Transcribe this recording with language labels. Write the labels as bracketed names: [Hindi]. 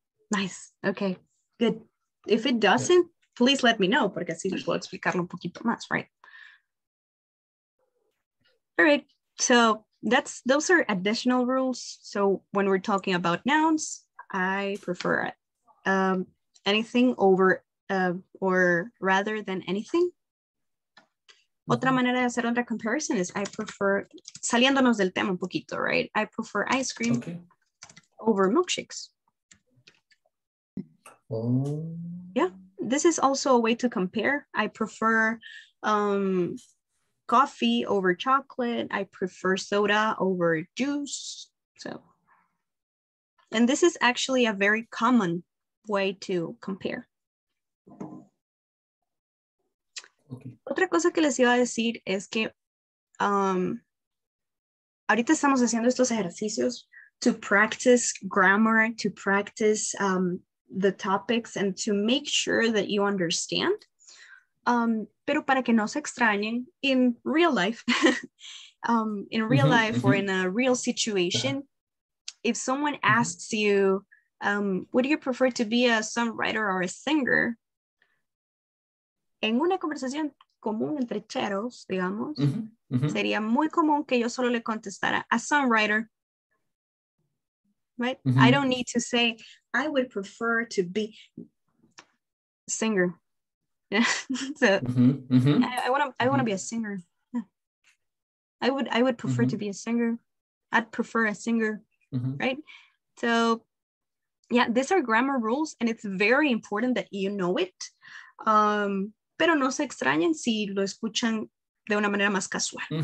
[English] Nice. Okay, good. If it doesn't, yeah, please let me know, [Spanish] porque así les puedo explicarlo un poquito más, [English] right? All right, so those are additional rules. So when we're talking about nouns, I prefer anything over or rather than anything. Mm-hmm. [Spanish] Otra manera de hacer otra [English] comparison is I prefer, [Spanish] saliéndonos del tema un poquito, right? [English] I prefer ice cream okay. over milkshakes. Yeah, this is also a way to compare. I prefer coffee over chocolate. I prefer soda over juice. So. And this is actually a very common way to compare. Okay. [Spanish] Otra cosa que les iba a decir es que ahorita estamos haciendo estos ejercicios [English] to practice grammar, to practice the topics, and to make sure that you understand. [Spanish] Pero para que no se extrañen, [English] in real life, or in a real situation, yeah, if someone asks you, would you prefer to be a songwriter or a singer? [Spanish] En una conversación común entre cheros, digamos, mm-hmm. Mm-hmm. sería muy común que yo solo le contestara, a songwriter. [English] Right? Mm-hmm. I don't need to say, I would prefer to be a singer. So, mm-hmm. Mm-hmm. I want to be a singer. Yeah. I would prefer mm-hmm. to be a singer. I'd prefer a singer. Mm-hmm. Right? So yeah, these are grammar rules and it's very important that you know it. [Spanish] Pero no se extrañen si lo escuchan de una manera más casual, mm-hmm.